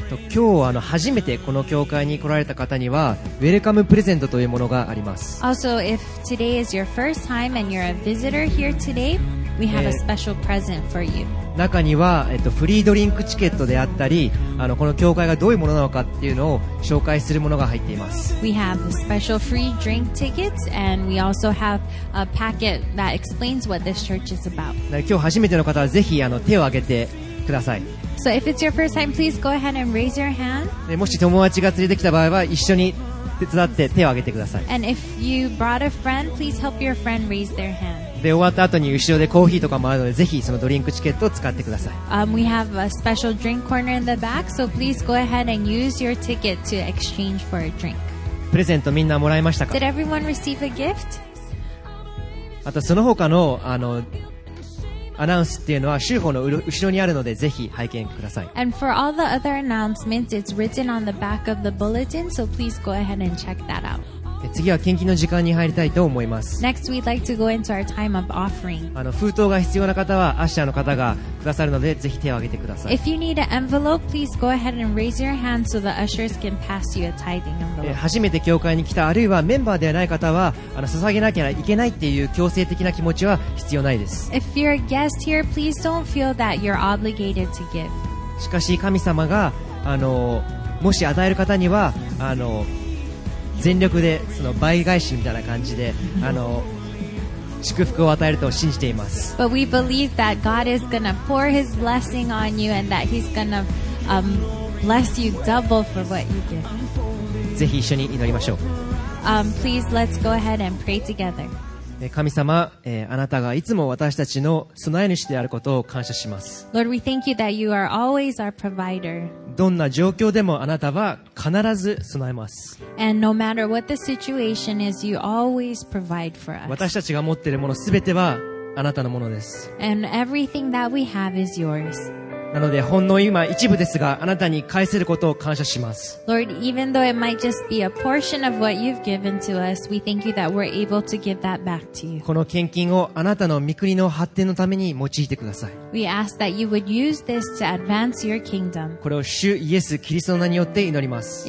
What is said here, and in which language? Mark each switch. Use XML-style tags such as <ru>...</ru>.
<ja>今日初めてこの教会に来られた方にはウェルカムプレゼントというものがあります。</ja> <en>Also, if today is your first time and you're a visitor here today, we have a special present for you.</en> <ja>中には、フリードリンクチケットであったりこの教会がどういうものなのかっていうのを紹介するものが入っています。</ja> <en>We have special free drink tickets and we also have a packet that explains what this church is about.</en> <ja>今日初めての方はぜひ手を挙げてください。</ja> <en>So if it's your first time, please go ahead and raise your hand.</en> <ja>もし友達が連れてきた場合は一緒に手伝って手を挙げてください。</ja> <en>And if you brought a friend, please help your friend raise their hand.</en> <ja>で終わった後に後ろでコーヒーとかもあるのでぜひそのドリンクチケットを使ってください。</ja> <en>We have a special drink corner in the back, so please go ahead and use your ticket to exchange for a drink.</en> <ja>プレゼントみんなもらいましたか?</ja> <en>Did everyone receive a gift?</en> <ja>あとその他のアナウンスっていうのは週報の後ろにあるのでぜひ拝見ください。</ja> <en>And for all the other announcements, it's written on the back of the bulletin, so please go ahead and check that out.</en> <ja>次は献金の時間に入りたいと思います。</ja> <en>Next, we'd like to go into our time of offering.</en> <ja>封筒が必要な方は、アッシャーの方がくださるので、ぜひ手を挙げてください。</ja> <en>If you need an envelope, please go ahead and raise your hand so the ushers can pass you a tithing envelope.</en> <ja>初めて教会に来た、あるいはメンバーではない方は、捧げなきゃいけないっていう強制的な気持ちは必要ないです。</ja> <en>If you're a guest here, please don't feel that you're obligated to give.</en> <ja>しかし、神様が、もし与える方には、全力でその倍返しみたいな感じで祝福を与えると信じています。</ja> <en>But we believe that God is gonna pour His blessing on you and that He's gonna bless you double for what you give.</en> <ja>ぜひ一緒に祈りましょう。</ja> <en>Please let's go ahead and pray together.</en> <ja>神様、あなたがいつも私たちの備え主であることを感謝します。</ja> <en>Lord, we thank you that you are always our provider.</en> <ja>どんな状況でもあなたは必ず備えます。</ja> <en>And no matter what the situation is, you always provide for us.</en> <ja>私たちが持っているものすべてはあなたのものです。</ja> <en>And everything that we have is yours.</en> <ja>なのでほんの今一部ですがあなたに返せることを感謝します。</ja> <en>Lord, even though it might just be a portion of what you've given to us, we thank you that we're able to give that back to you.</en> <ja>この献金をあなたの御国の発展のために用いてください。</ja> <en>We ask that you would use this to advance your kingdom.</en> <ja>これを主イエスキリストの名によって祈ります。</ja>